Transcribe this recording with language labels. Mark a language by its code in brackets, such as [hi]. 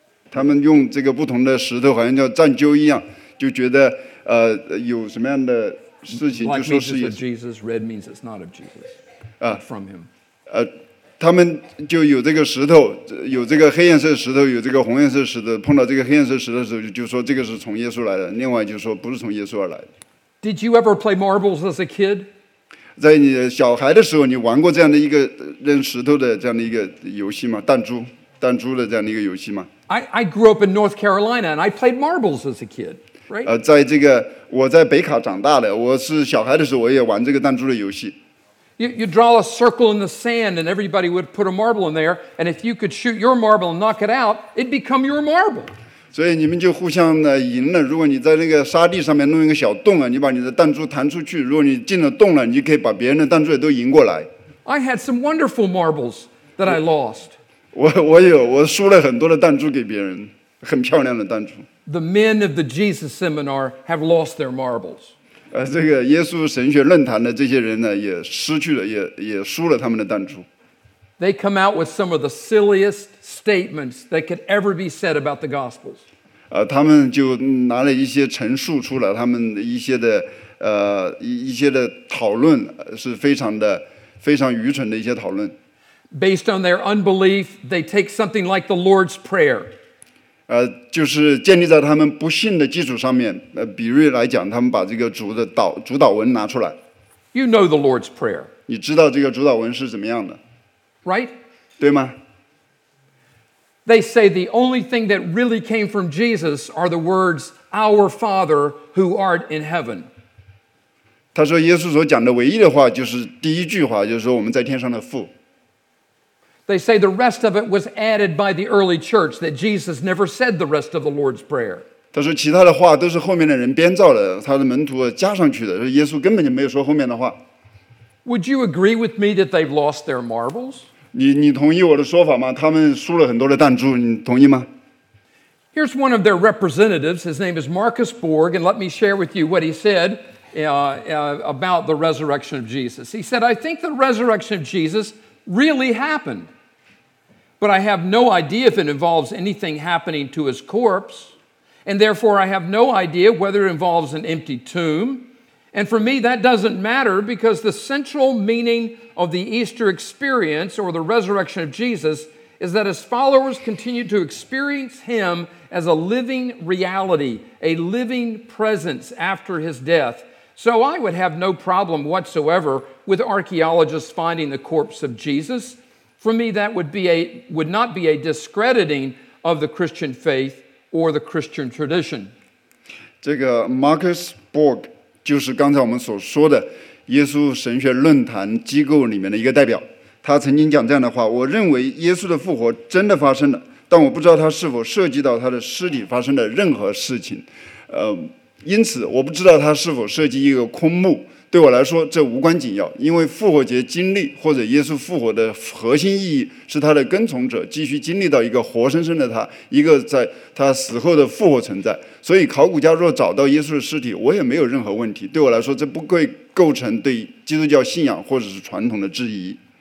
[zh] 他们用这个不同的石头，好像叫占鸠一样，就觉得有什么样的事情就说是 [en] Jesus. Red means it's not of Jesus. From him. [zh] 他们就有这个石头，有这个黑颜色石头，有这个红颜色石头。碰到这个黑颜色石头的时候，就说这个是从耶稣来的。另外就说不是从耶稣而来的。 [en] Did you ever play marbles as a kid? [zh] 在你小孩的时候，你玩过这样的一个？扔石头的这样的一个游戏吗？弹珠的这样的一个游戏吗？ [en] I grew up in North Carolina and I played marbles as a kid, right? [zh] 在这个我在北卡长大的，我是小孩的时候我也玩这个弹珠的游戏。 [en] You draw a circle in the sand and everybody would put a marble in there, and if you could shoot your marble and knock it out, it'd become your marble. [zh] 所以你们就互相的赢了，如果你在那个沙地上面弄一个小洞啊，你把你的弹珠弹出去，如果你进了洞了，你就可以把别人的弹珠也都赢过来。 [en] I had some wonderful marbles that I lost. [zh] 我输了很多的弹珠给别人，很漂亮的弹珠。 [en] The men of the Jesus Seminar have lost their marbles. [zh] 这个耶稣神学论坛的这些人呢，也失去了，也输了他们的弹珠。 [en] They come out with some of the silliest statements that could ever be said about the Gospels. [zh] 他们就拿了一些陈述出来，他们一些的一些的讨论是非常愚蠢的一些讨论。 [en] Based on their unbelief, they take something like the Lord's Prayer. [zh] 就是建立在他们不信的基础上面，比喻来讲，他们把这个主导文拿出来。 [en] You know the Lord's Prayer. [zh] 你知道这个主导文是怎么样的。 [en] Right? [zh] 对吗? [en] They say the only thing that really came from Jesus are the words, Our Father who art in heaven. [zh] 他说耶稣所讲的唯一的话就是第一句话，就是说我们在天上的父。 [en] They say the rest of it was added by the early church, that Jesus never said the rest of the Lord's Prayer. [zh] 他说其他的话都是后面的人编造的，他的门徒加上去的，耶稣根本就没有说后面的话。 [en] Would you agree with me that they've lost their marbles? [zh] 你同意我的说法吗？他们输了很多的弹珠，你同意吗？ [en] Here's one of their representatives. His name is Marcus Borg, and let me share with you what he said about the resurrection of Jesus. He said, I think the resurrection of Jesus really happened, but I have no idea if it involves anything happening to his corpse, and therefore I have no idea whether it involves an empty tomb,And for me, that doesn't matter because the central meaning of the Easter experience or the resurrection of Jesus is that his followers continue to experience him as a living reality, a living presence after his death. So I would have no problem whatsoever with archaeologists finding the corpse of Jesus. For me, that would not be a discrediting of the Christian faith or the Christian tradition. [zh] 这个 Marcus Borg. 就是刚才我们所说的耶稣神学论坛机构里面的一个代表，他曾经讲这样的话，我认为耶稣的复活真的发生了，但我不知道他是否涉及到他的尸体发生的任何事情，因此我不知道他是否涉及一个空墓，对我来说这无关紧要，因为复活节经历或者耶稣复活的核心意义是他的跟从者继续经历到一个活生生的他，一个在他死后的复活存在，所以考古家若找到耶稣的尸体，我也没有任何问题，对我来说这不会构成对基督教信仰或者是传统的质疑。